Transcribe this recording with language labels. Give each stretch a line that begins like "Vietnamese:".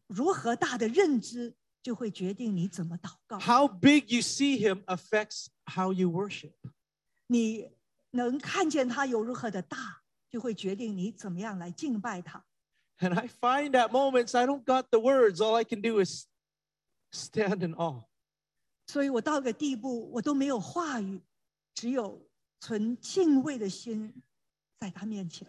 Chinese: 你对神如何大的认知, 就会决定你怎么祷告。
English: How big you see him affects how you worship.
Chinese: 你能看见他有如何的大, 就会决定你怎么样来敬拜他。
English: And I find at moments I don't got the words, all I can do is stand in awe.
Chinese: 所以我到个地步, 我都没有话语, 只有存敬畏的心在他面前。